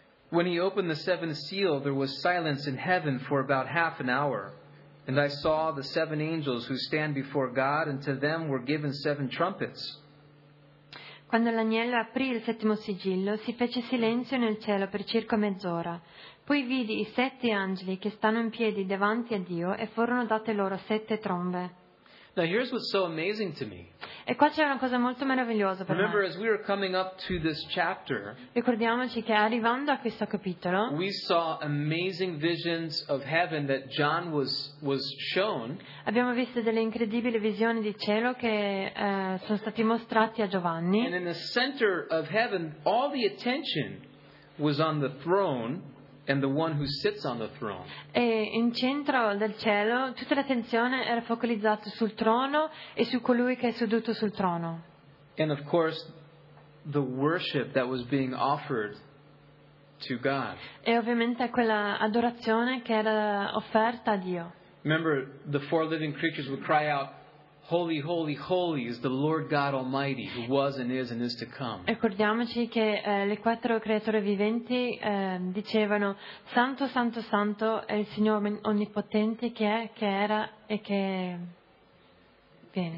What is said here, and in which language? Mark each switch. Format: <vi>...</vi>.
<en>When he opened the seventh seal, there was silence in heaven for about half an hour. And I saw the seven angels who stand before God, and to them were given seven trumpets.</en> <it>Quando l'agnello aprì il settimo sigillo, si fece silenzio nel cielo per circa mezz'ora. Poi vidi i sette angeli che stanno in piedi davanti a Dio, e furono date loro sette trombe.</it> <en>Now here's what's so amazing to me.</en> <it>E qua c'è una cosa molto meravigliosa per</it> <en>Remember,</en> <it>me.</it> <en>As we were coming up to this chapter,</en> <it>ricordiamoci che arrivando a questo capitolo,</it> <en>we saw amazing visions of heaven that John was shown.</en> <it>Abbiamo visto delle incredibili visioni di cielo che sono stati mostrati a Giovanni.</it> <en>And in the center of heaven, all the attention was on the throne. And the one who sits on the throne.</en> <it>E in centro del cielo tutta l'attenzione era focalizzata sul trono e su colui che è seduto sul trono.</it> <en>And of course, the worship that was being offered to God.</en> <it>E ovviamente quella adorazione che era offerta a Dio.</it> <en>Remember, the four living creatures would cry out, Holy, holy, holy is the Lord God Almighty who was and is to come.</en> <it>Ricordiamoci che le quattro creature viventi dicevano Santo, Santo, Santo è il Signore Onnipotente che è, che era e che viene.</it>